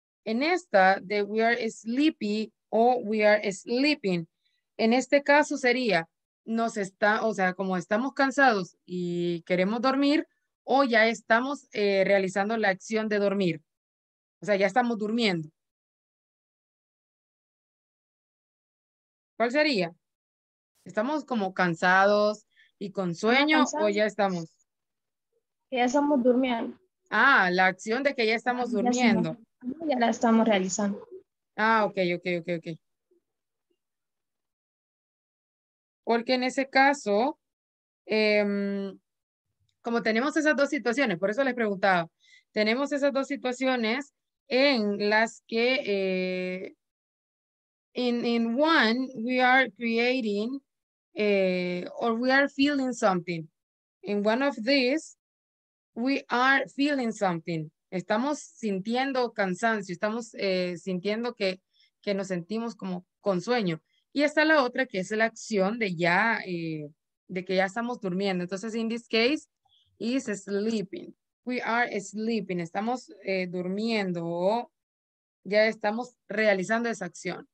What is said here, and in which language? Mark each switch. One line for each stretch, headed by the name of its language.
Spanish: En esta,
English: that we are sleepy o we are sleeping.
Spanish: En este caso sería, nos está, o sea, como estamos cansados y queremos dormir, o ya estamos realizando la acción de dormir. O sea, ya estamos durmiendo. ¿Cuál sería? ¿Estamos como cansados y con sueño o ya estamos? Ya estamos durmiendo. Ah, la acción de que ya estamos durmiendo. Ya la estamos realizando. Ah, ok. Porque en ese caso, como tenemos esas dos situaciones, por eso les preguntaba, tenemos esas dos situaciones en las que,
English: in one, we are creating, or we are feeling something. In one of these, we are feeling something.
Spanish: Estamos sintiendo cansancio, estamos sintiendo que nos sentimos como con sueño. Y está la otra que es la acción de ya, de que ya estamos durmiendo.
English: Entonces, in this case, is sleeping. We are sleeping.
Spanish: Estamos durmiendo o ya estamos realizando esa acción.